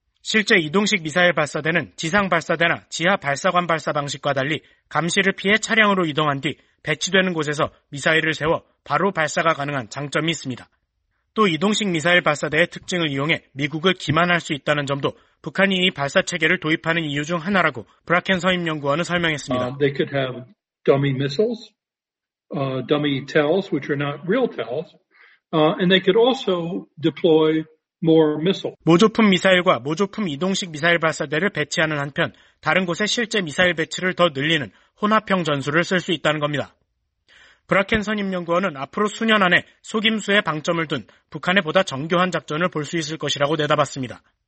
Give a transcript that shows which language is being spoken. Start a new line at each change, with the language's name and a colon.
Korean: 실제 이동식 미사일 발사대는 지상 발사대나 지하 발사관 발사 방식과 달리 감시를 피해 차량으로 이동한 뒤 배치되는 곳에서 미사일을 세워 바로 발사가 가능한 장점이 있습니다. 또 이동식 미사일 발사대의 특징을 이용해 미국을 기만할 수 있다는 점도 북한이 이 발사 체계를 도입하는 이유 중 하나라고 브라켄 선임연구원은 설명했습니다.
English: They could have dummy missiles, dummy TELs, which are not real TELs, and they could also deploy more missiles.
Korean: 모조품 미사일과 모조품 이동식 미사일 발사대를 배치하는 한편 다른 곳에 실제 미사일 배치를 더 늘리는 혼합형 전술을 쓸 수 있다는 겁니다. 브라켄 선임연구원은 앞으로 수년 안에 속임수에 방점을 둔 북한의 보다 정교한 작전을 볼 수 있을 것이라고 내다봤습니다.